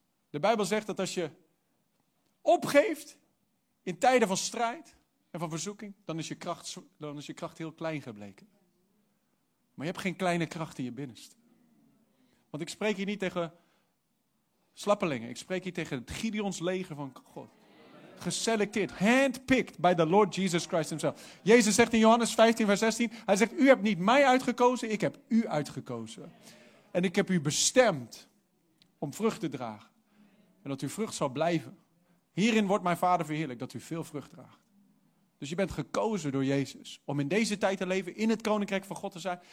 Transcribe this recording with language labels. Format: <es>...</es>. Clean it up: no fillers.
<nl>De Bijbel zegt dat als je opgeeft. In tijden van strijd. En van verzoeking. Dan is je kracht heel klein gebleken. Maar je hebt geen kleine kracht in je binnenste. Want ik spreek hier niet tegen slappelingen. Ik spreek hier tegen het Gideons leger van God.</nl> <en>Geselecteerd, handpicked by the Lord Jesus Christ himself.</en> <nl>Jezus zegt in Johannes 15 vers 16. Hij zegt, u hebt niet mij uitgekozen, ik heb u uitgekozen. En ik heb u bestemd om vrucht te dragen. En dat uw vrucht zal blijven. Hierin wordt mijn Vader verheerlijk, dat u veel vrucht draagt. Dus je bent gekozen door Jezus om in deze tijd te leven in het koninkrijk van God te zijn.</nl>